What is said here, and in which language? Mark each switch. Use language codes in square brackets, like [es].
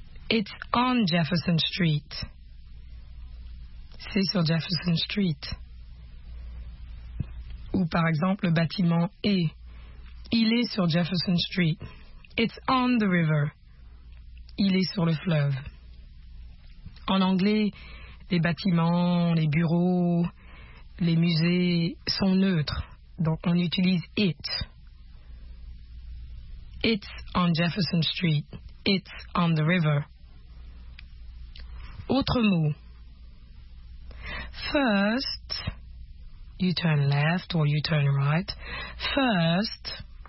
[en] It's on Jefferson Street. [fr] C'est sur Jefferson Street. Ou par exemple, le bâtiment est. Il est sur Jefferson Street. [en] It's on the river. [fr] Il est sur le fleuve. En anglais, les bâtiments, les bureaux, les musées sont neutres. Donc on utilise it. [en] It's on Jefferson Street. It's on the river. [fr] Autre mot. [en] First, you turn left or you turn right. First,